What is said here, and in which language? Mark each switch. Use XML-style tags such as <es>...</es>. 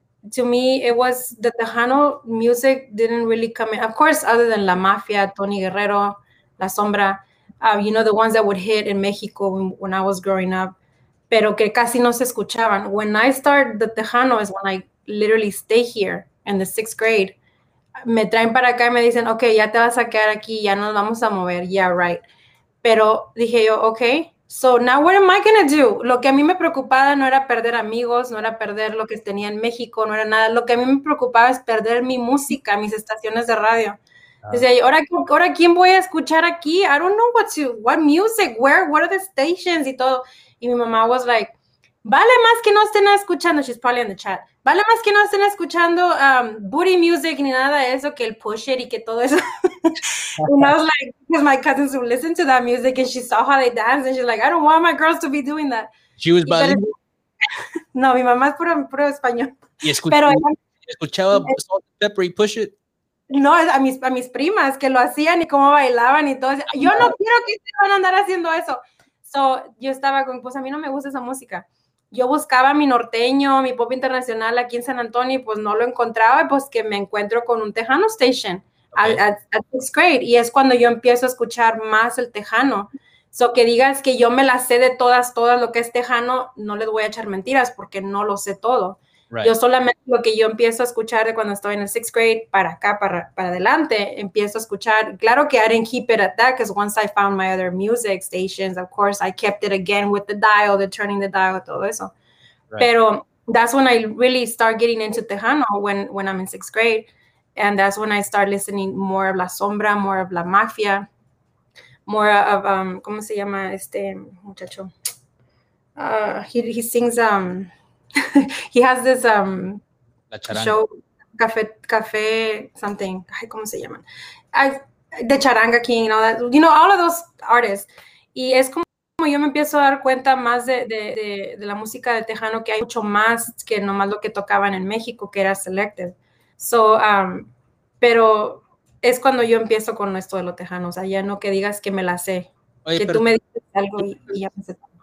<en>To me, it was the Tejano music didn't really come in. Of course, other than La Mafia, Tony Guerrero, La Sombra, you know, the ones that would hit in Mexico when I was growing up, pero que casi no se escuchaban. When I started the Tejano is when I literally stay here in the sixth grade.</en> <es>Me traen para acá y me dicen, okay, ya te vas a quedar aquí, ya nos vamos a mover. Yeah, right. Pero dije yo, okay.</es> <en>So now what am I going to do?</en> <es>Lo que a mí me preocupaba no era perder amigos, no era perder lo que tenía en México, no era nada. Lo que a mí me preocupaba es perder mi música, mis estaciones de radio. Dice, ahora ¿quién voy a escuchar aquí?</es> <en>I don't know what music, what are the stations y todo.</en> <es>Y mi mamá was like, vale más que no estén escuchando, she's probably in the chat, vale más que no estén escuchando booty music ni nada de eso, que el push it y que todo eso.</es> <en>And I was like, because my cousins would listen to that music and she saw how they dance and she's like, I don't want my girls to be doing that. She was bilingual.</en> <es>No, mi mamá es puro español. Y escuchaba Salt and Pepper y push it. No, a mis primas que lo hacían y cómo bailaban y todo. Yo no quiero que se van a andar haciendo eso. So yo estaba con, pues a mí no me gusta esa música. Yo buscaba mi norteño, mi pop internacional aquí en San Antonio y pues no lo encontraba, pues que me encuentro con un Tejano station. At sixth grade, y es cuando yo empiezo a escuchar más el Tejano. So que digas que yo me la sé de todas lo que es Tejano, no les voy a echar mentiras porque no lo sé todo. Right. Yo solamente lo que yo empiezo a escuchar de cuando estoy en el sixth grade para acá, para adelante, empiezo a escuchar.</es> <en>Claro que I didn't keep it at that because once I found my other music stations, of course, I kept it again with the dial, the turning the dial, todo eso. Right. Pero that's when I really start getting into Tejano when I'm in sixth grade. And that's when I start listening more of La Sombra, more of La Mafia, more of, ¿cómo se llama este muchacho? He sings, he has this</en> <es>La Charanga. Show, Café something, ay, ¿cómo se llaman?</es> <en>The Charanga King, all that, you know, all of those artists.</en> <es>Y es como yo me empiezo a dar cuenta más de la música de Tejano, que hay mucho más que nomás lo que tocaban en México, que era selected. So, pero es cuando yo empiezo con esto de lo Tejano, o sea, ya no que digas que me la sé. Oye, que tú me dices algo y ya pensé.</es>